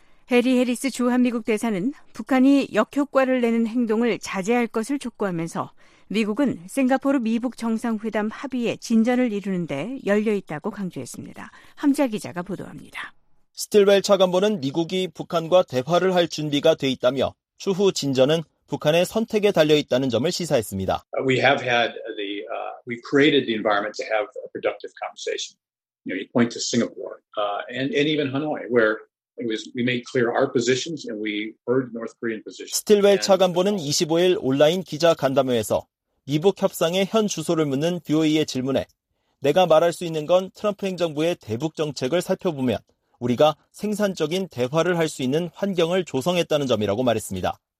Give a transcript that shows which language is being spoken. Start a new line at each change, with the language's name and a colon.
Korean: 해리 해리스 주한미국 대사는 북한이 역효과를 내는 행동을 자제할 것을 촉구하면서 미국은 싱가포르 미북 정상회담 합의에 진전을 이루는데 열려있다고 강조했습니다. 함자 기자가 보도합니다. 스틸웰 차관보는 미국이 북한과 대화를 할 준비가 돼 있다며 추후 진전은 북한의 선택에 달려있다는 점을 시사했습니다.
English: We have had the, we've created the environment to have a productive conversation. You know, you point to Singapore, and even Hanoi, where we made clear our positions and we heard North Korean positions.
Korean: 스틸웰 차관보는 25일 온라인 기자 간담회에서 미북 협상의 현 주소를 묻는 BOE의 질문에 내가 말할 수 있는 건 트럼프 행정부의 대북 정책을 살펴보면 우리가 생산적인 대화를 할 수 있는 환경을 조성했다는 점이라고 말했습니다.